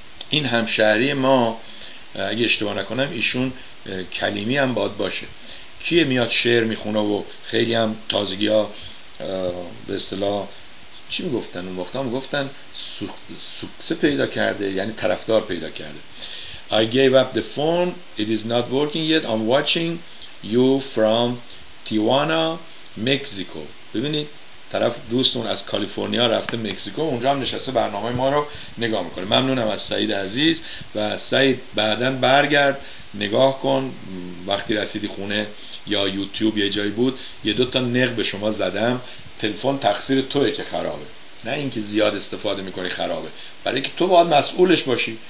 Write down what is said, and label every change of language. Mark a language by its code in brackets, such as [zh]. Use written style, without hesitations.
[fa] این همشهری ما، اگه اشتباه نکنم ایشون کلیمی هم باید باشه، کیه میاد شعر میخونه و خیلی هم تازگی ها به اصطلاح چی میگفتن اون وقتا، میگفتن سوکسه پیدا کرده، یعنی طرفدار پیدا کرده. [en] I gave up the phone, it is not working yet, I'm watching you from Tijuana, Mexico. [fa] ببینید طرف دوستون از کالیفرنیا رفته مکزیکو، اونجا هم نشسته برنامه ما رو نگاه میکنه. ممنونم از سعید عزیز، و سعید بعدن برگرد نگاه کن وقتی رسیدی خونه یا یوتیوب یه جایی بود، یه دوتا نق به شما زدم، تلفن تقصیر توئه که خرابه، نه اینکه زیاد استفاده میکنی خرابه، برای که تو باید مسئولش باشی.